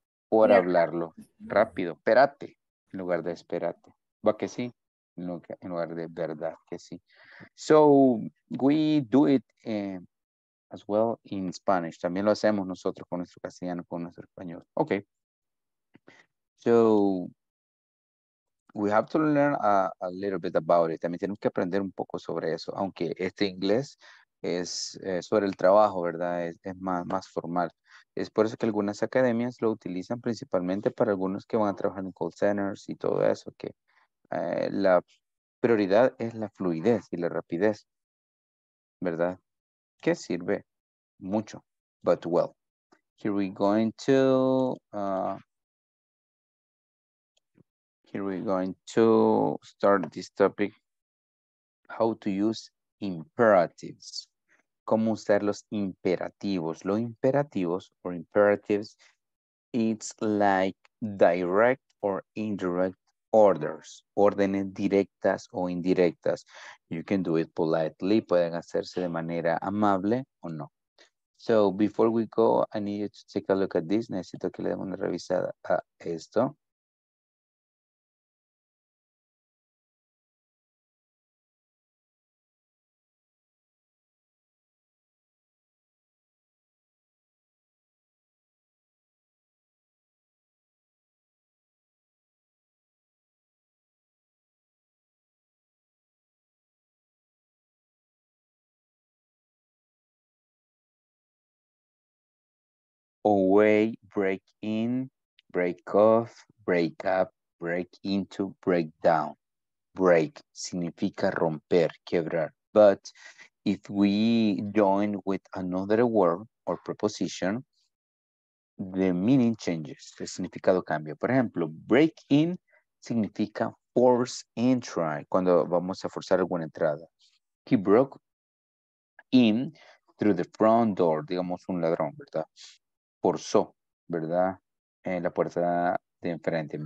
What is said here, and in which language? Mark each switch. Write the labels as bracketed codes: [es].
[es] por ya. Hablarlo rápido. Espérate, en lugar de espérate. Va que sí. En lugar de verdad que sí. [en] So we do it as well in Spanish. [es] También lo hacemos nosotros con nuestro castellano, con nuestro español. [en] Okay. So we have to learn a little bit about it. [es] También tenemos que aprender un poco sobre eso. Aunque este inglés es sobre el trabajo, ¿verdad? Es más formal. Es por eso que algunas academias lo utilizan principalmente para algunos que van a trabajar en call centers y todo eso, que la prioridad es la fluidez y la rapidez, ¿verdad? Que sirve mucho. [en] But well, here we going to here we going to start this topic, how to use imperatives. [es] ¿Cómo usar los imperativos? Los imperativos [en] or imperatives, it's like direct or indirect orders, [es] órdenes directas o indirectas. [en] You can do it politely, [es] pueden hacerse de manera amable o no. [en] So before we go, I need you to take a look at this. [es] Necesito que le demos una revisada a esto. [en] Away, break in, break off, break up, break into, break down. [es] Break significa romper, quebrar. [en] But if we join with another word or preposition, the meaning changes. [es] El significado cambia. Por ejemplo, break in significa [en] force entry, [es] cuando vamos a forzar alguna entrada. [en] He broke in through the front door, [es] digamos un ladrón, ¿verdad? Forzó, ¿verdad? En la puerta de enfrente.